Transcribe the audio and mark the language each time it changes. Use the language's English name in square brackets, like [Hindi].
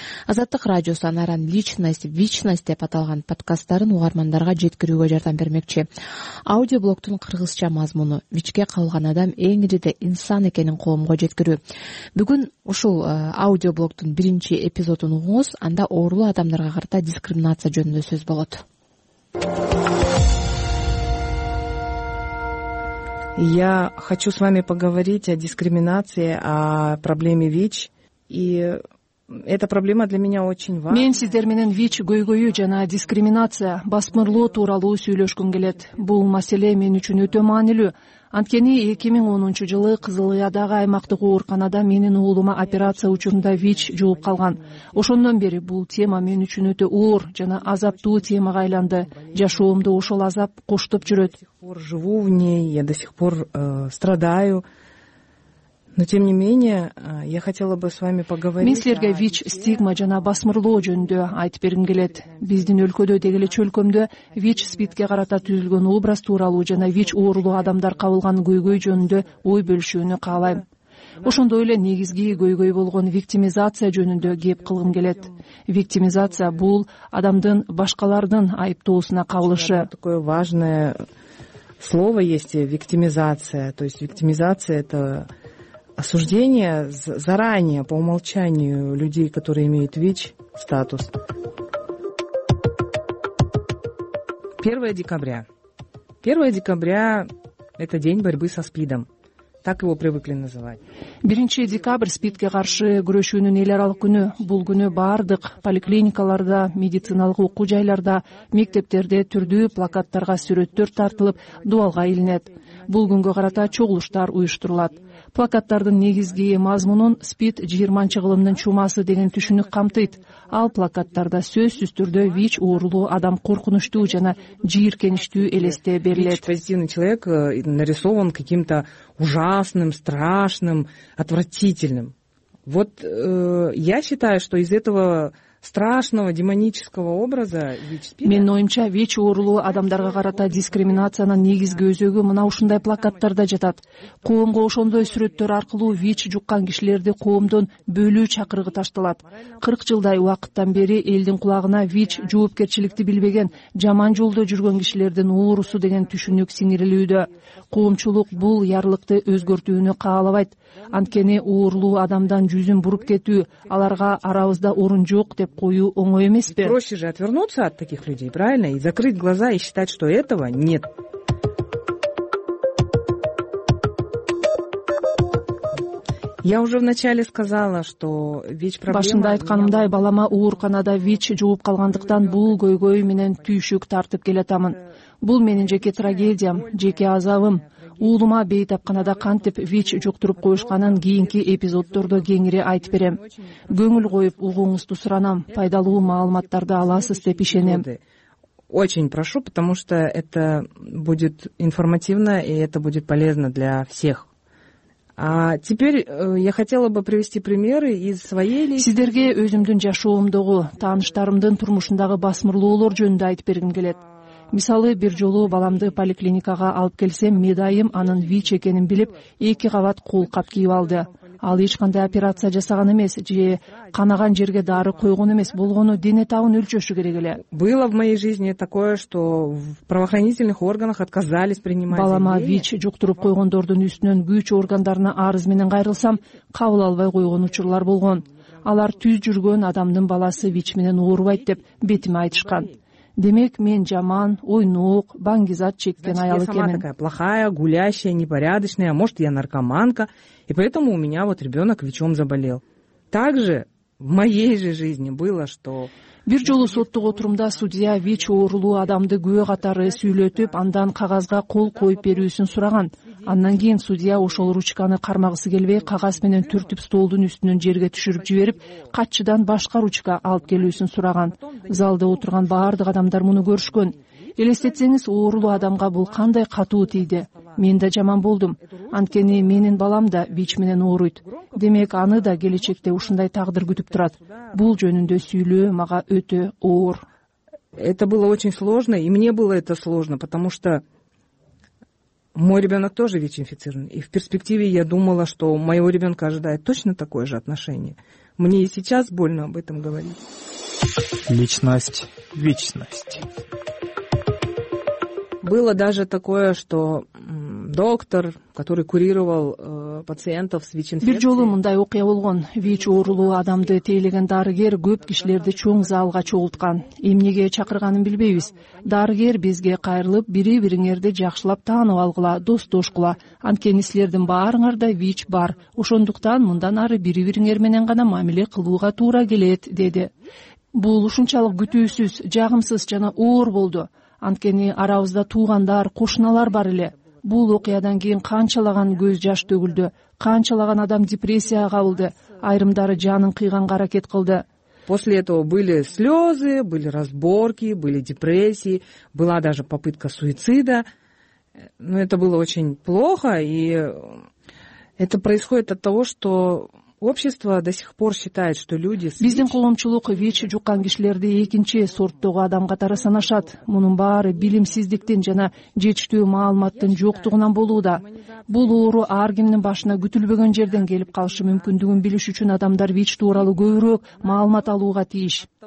[Kyrgyz] Азаттык радиосу Анаранын личность, ВИЧность деп аталган подкасттарын угармандарга жеткирүүгө жардам бермекчи. Аудиоблогдун кыргызча мазмуну ВИЧке калган адам эң ириде инсан экенин коомго жеткирүү. Бүгүн ушул аудиоблогдун биринчи эпизодун угуңуз, анда оорулуу адамдарга карата дискриминация жөнүндө сөз болот. [Russian] Я хочу с вами поговорить о дискриминации, о проблеме ВИЧ. И эта проблема для меня очень важна. [Kyrgyz] Мен сиздер менен ВИЧ көйгөйү жана дискриминация, басмырлоо тууралуу сүйлөшкүм келет. Бул маселе мен үчүн өтө маанилүү. Анткени 2010 жылы Кызыл Кыядагы аймактык ооруканада менин уулума операция учурунда ВИЧ жугуп калган. Ошондон бери бул тема мен үчүн өтө оор жана азаптуу темага айланды. Жашоомду ошол азап коштоп жүрөт. [Russian] Живу в ней, я до сих пор страдаю. Но тем не менее, я хотела бы с вами поговорить. [Kyrgyz] Мен силерге ВИЧ стигма жана басмырлоо жөнүндө айтып бергим келет. Биздин өлкөдө деги эле чөлкөмдө ВИЧ спидке карата түзүлгөн образ тууралуу жана ВИЧ оорулуу адамдар кабылган көйгөй жөнүндө ой бөлүшүүнү каалайм. Ошондой эле негизги көйгөй болгон виктимизация жөнүндө кеп кылгым келет. Виктимизация бул адамдын башкалардын айыптоосуна кабылышы. [Russian] Такое важное слово есть виктимизация. То есть виктимизация это осуждение заранее, по умолчанию людей, которые имеют ВИЧ-статус. 1 декабря. 1 декабря – это день борьбы со СПИДом. Так его привыкли называть. [Kyrgyz] 1 декабрь спидке каршы күрөшүүнүн эл аралык күнү. Бул күнү бардык поликлиникаларда, медициналык окуу жайларда, мектептерде түрдүү плакаттарга сүрөттөр тартылып, дубалга илинет. Бул күнгө карата чогулуштар уюштурулат. Плакаттардын негизги мазмунун спид 20-чы кылымдын чумасы деген түшүнүк камтыйт. Ал плакаттарда сөзсүз түрдө ВИЧ оорулуу адам коркунучтуу жана жийиркеничтүү элесте берилет. [Russian] Позитивный человек нарисован каким-то ужасным, страшным, отвратительным. Вот я считаю, что из этого страшного демонического образа ВИЧ-спида. [Kyrgyz] Менин оюмча ВИЧ оорулуу адамдарга карата дискриминациянын негизги өзөгү мына ушундай плакаттарда жатат. Коомго ошондой сүрөттөр аркылуу ВИЧ жуккан кишилерди коомдон бөлүү чакырыгы ташталат. 40 жылдай убакыттан бери элдин кулагына ВИЧ жоопкерчиликти билбеген, жаман жолдо жүргөн кишилердин оорусу деген түшүнүк сиңирилүүдө. Коомчулук бул ярлыкты өзгөртүүнү каалабайт. Анткени оорулуу адамдан жүзүн буруп кетүү, аларга арабызда орун жок деп коюу оңой эмеспи? [Russian] Проще же отвернуться от таких людей, правильно? И закрыть глаза и считать, что этого нет. Я уже вначале сказала, что ВИЧ проблема. [Kyrgyz] Башында айтканымдай, балама ооруканада ВИЧ жугуп калгандыктан бул көйгөй менен түйшүк тартып келатамын. Бул менин жеке трагедиям, жеке азабым. Уулума бейтапканада кантип ВИЧ жуктуруп коюшканын кийинки эпизоддордо кеңири айтып берем. Көңүл коюп угууңузду суранам, пайдалуу маалыматтарды аласыз деп ишенем. [Russian] Очень прошу, потому что это будет информативно и это будет полезно для всех. А теперь я хотела бы привести примеры из своей личности. [Kyrgyz] Сиздерге өзүмдүн жашоомдогу, тааныштарымдын турмушундагы басмырлоолор жөнүндө айтып бергим келет. Мисалы, бир жолу баламды поликлиникага алып келсем, медайым анын ВИЧ экенин билип, 2 кабат кол кап кийип алды. Ал эч кандай операция жасаган эмес, же канаган жерге дары койгон эмес, болгону дене табын өлчөшү керек эле. [Russian] Было в моей жизни такое, что в правоохранительных органах отказались принимать. [Kyrgyz] Балама ВИЧ жуктуруп койгондордун үстүнөн күч органдарына арыз менен кайрылсам, кабыл албай койгон учурлар болгон. Алар түз жүргөн адамдын баласы ВИЧ менен оорубайт деп бетиме айтышкан. Демек, мен жаман, ойнук, баңгизат чеккен аял экенмин. [Russian] Значит, я сама такая плохая, гулящая, непорядочная, может, я наркоманка, и поэтому у меня вот ребенок ВИЧом заболел. Также в моей же жизни было, что... [Kyrgyz] Бир жолу соттук отурумда судья ВИЧ оорулуу адамды күйөө катары сүйлөтүп, андан кагазга кол коюп берүүсүн сураган. Андан кийин судья ошол ручканы кармагысы келбей, кагаз менен түртүп столдун үстүнөн жерге түшүрүп жиберип, катчыдан башка ручка алып келүүсүн сураган. Залда отурган баардык адамдар муну көрүшкөн. Элестетсеңиз, оорулуу адамга бул кандай катуу тийди. Мен да жаман болдум. Анткени менин балам да ВИЧ менен ооруйт. Демек, аны да келечекте ушундай тагдыр күтүп турат. Бул жөнүндө сүйлөө мага өтө оор. [Russian] Это было очень сложно, и мне было это сложно, потому что мой ребенок тоже ВИЧ-инфицирован. И в перспективе я думала, что моего ребенка ожидает точно такое же отношение. Мне и сейчас больно об этом говорить. Личность, вечность. Было даже такое, что доктор, который курировал пациентов с ВИЧ-инфекцией. [Kyrgyz] Бир жолу мындай окуя болгон. ВИЧ оорулуу адамды тейлеген дарыгер көп кишилерди чоң залга чогулткан. Эмнеге чакырганын билбейбиз. Дарыгер бизге кайрылып, бири-бириңерди жакшылап таанып алгыла, достошкула. Анткени силердин баарыңарда ВИЧ бар. Ошондуктан мындан ары бири-бириңер менен гана мамиле кылууга туура келет, деди. Бул ушунчалык күтүүсүз, жагымсыз жана оор болду. Анткени арабызда туугандар, кошуналар бар эле. Бул окуядан кийин канчалаган көз жаш төгүлдү, канчалаган адам депрессияга кабылды, айрымдары жанын кыйганга аракет кылды. [Russian] После этого были слезы, были разборки, были депрессии, была даже попытка суицида. Но это было очень плохо, и это происходит от того, что общество до сих пор считает, что люди с ВИЧ... [Kyrgyz] Биздин коомчулук ВИЧ жуккан кишилерди экинчи сорттогу адам катары санашат. Мунун баары билимсиздиктин жана жетиштүү маалыматтын жоктугунан болууда. Бул оору ар кимдин башына күтүлбөгөн жерден келип калышы мүмкүндүгүн билиш үчүн адамдар ВИЧ тууралуу көбүрөөк маалымат алууга тийиш.